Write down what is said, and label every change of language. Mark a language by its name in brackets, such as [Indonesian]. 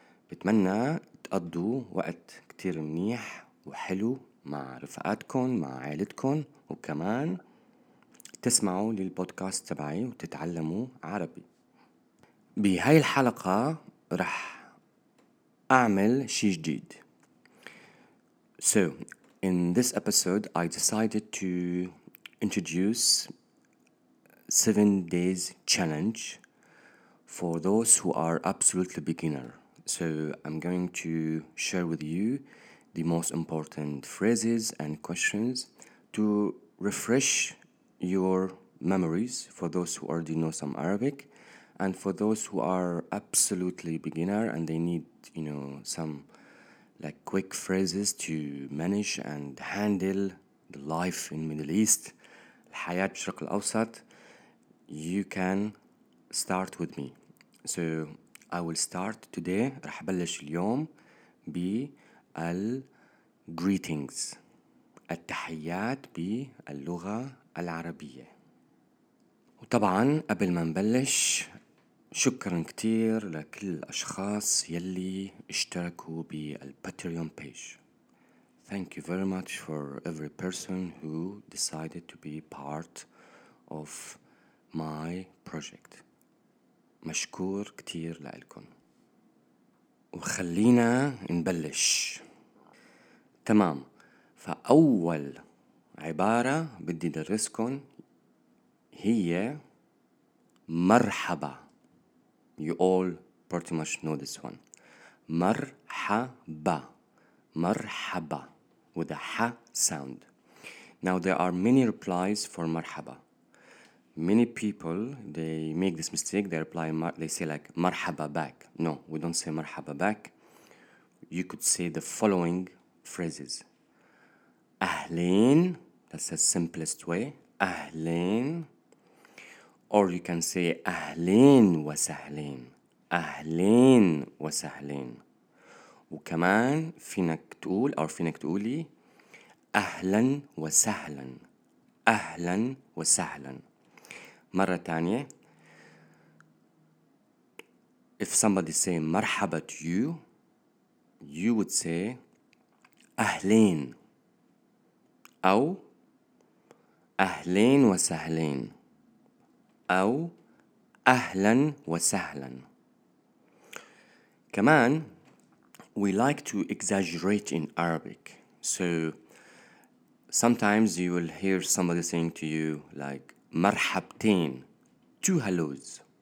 [Arabic] بتمنى تقضوا وقت كتير منيح وحلو مع رفقاتكن، مع عائلتكن، وكمان تسمعوا للبودكاست تبعي وتتعلموا عربي. بهاي الحلقة رح أعمل شي جديد. [English] So, in this episode, I decided to introduce 7 days challenge for those who are absolutely beginner. So, I'm going to share with you the most important phrases and questions to refresh your memories for those who already know some Arabic. And for those who are absolutely beginner and they need, you know, some like quick phrases to manage and handle the life in Middle East, [Arabic] الحياة الشرق الأوسط, [English] you can start with me. So I will start today, رح بلش اليوم بالgreetings, التحيات باللغة العربية. [Arabic] وطبعا قبل ما نبلش, شكراً كتير لكل الأشخاص يلي اشتركوا بالباتريون بيج. [English] Thank you very much for every person who decided to be part of my project. [Arabic] مشكور كتير لألكن. وخلينا نبلش. تمام. فأول عبارة بدي درسكن هي مرحبا. [English] You all pretty much know this one. [Arabic] مرحبا. مرحبا. [English] With a ح sound. Now, there are many replies for مرحبا. Many people, they make this mistake. They reply, they say like مرحبا back. No, we don't say مرحبا back. You could say the following phrases. أهلين. That's the simplest way. أهلين. Or you can say [Arabic] أهلين وسهلين. [English] أهلين وسهلين. [Arabic] وكمان فينك تقول أو فينك تقولي أهلا وسهلا. أهلا وسهلا. مرة تانية, [English] if somebody say [Arabic] مرحبا [English] to you, you would say [Arabic] أهلين أو أهلين وسهلين أو أهلا وسهلا. كمان, [English] we like to exaggerate in Arabic. So, sometimes you will hear somebody saying to you, like, مرحبتين, two hellos.